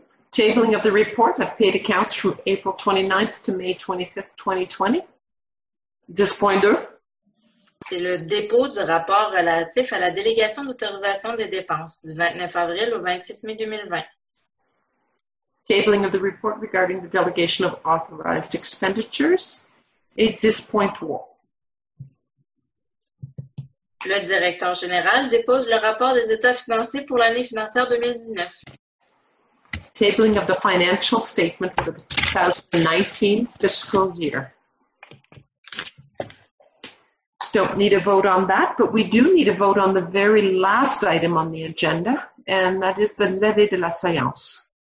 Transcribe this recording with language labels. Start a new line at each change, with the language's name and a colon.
English: Tabling of the report of paid accounts from April 29th to May 25th, 2020. 10.2.
French: C'est le dépôt du rapport relatif à la délégation d'autorisation des dépenses du 29 avril au 26 mai 2020.
English: Tabling of the report regarding the delegation of authorized expenditures. 10.3.
French: Le directeur général dépose le rapport des états financiers pour l'année financière 2019.
English: Tabling of the financial statement for the 2019 fiscal year. Don't need a vote on that, but we do need a vote on the very last item on the agenda, and that is the
French: levée de la séance.